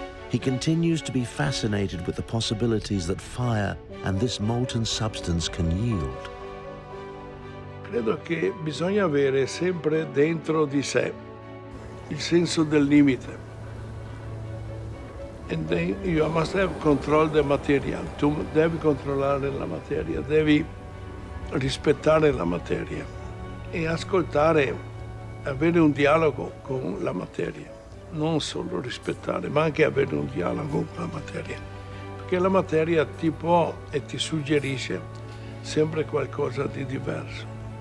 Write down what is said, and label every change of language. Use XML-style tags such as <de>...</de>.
<en>He continues to be fascinated with the possibilities that fire and this molten substance can yield.</en> <it>Credo che bisogna avere sempre dentro di sé il senso del limite.</it> <en>And then you must have control the material.</en> <it>Tu devi controllare la materia, devi rispettare la materia e ascoltare, avere un dialogo con la materia. Non solo rispettare, ma anche avere un dialogo con la materia. Perché la materia ti può e ti suggerisce sempre qualcosa di diverso.</it>